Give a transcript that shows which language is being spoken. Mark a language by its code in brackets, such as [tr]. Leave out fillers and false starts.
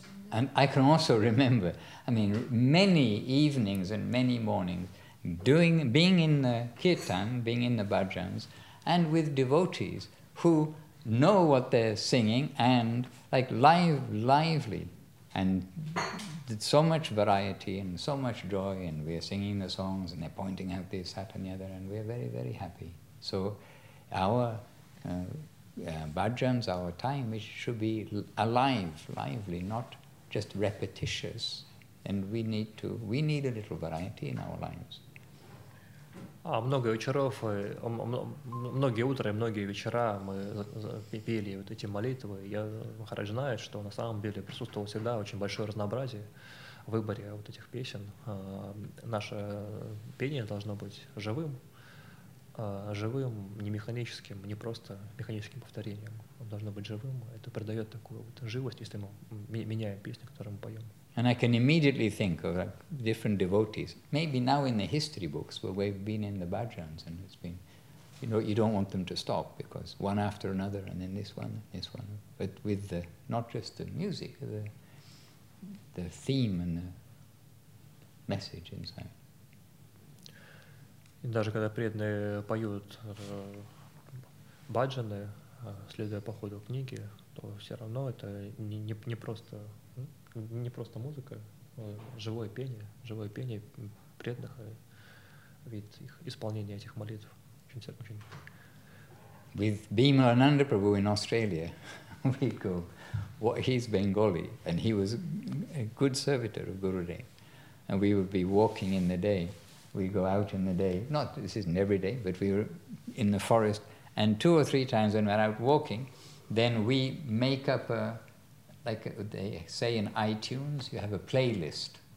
[en] And I can also remember, I mean, many evenings and many mornings being in the kirtan, being in the bhajans, and with devotees who know what they're singing and like lively and so much variety and so much joy, and we're singing the songs and they're pointing out this, that and the other, and we're very, very happy. So our bhajans, our time, it should be alive, lively, not just repetitious. And we need a little variety in our lives. [ru] Много вечеров, многие утра, многие вечера мы пели вот эти молитвы. Я хорошо знаю, что на самом деле присутствовало всегда очень большое разнообразие в выборе вот этих песен. Наше пение должно быть живым, не механическим, не просто механическим повторением. Он должен быть живым. Это придает такую вот живость, если мы меняем песни, которые мы поем. [en] And I can immediately think of different devotees, maybe now in the history books, where we've been in the bhajans, and it's been, you know, you don't want them to stop, because one after another, and then this one, but with the, not just the music, the theme and the message inside. [ru] И даже когда преданные поют баджаны, следуя по ходу книги, то все равно это не просто музыка, живое пение преданных, вид их исполнения этих молитв. [en] With Bhimananda Prabhu in Australia, we go, he's Bengali, and he was a good servitor of Gurudev. And we would be walking in the day, we go out in the day, not, this isn't every day, but we were in the forest, and two or three times when we're out walking, then we make up a, like they say in iTunes, you have a playlist.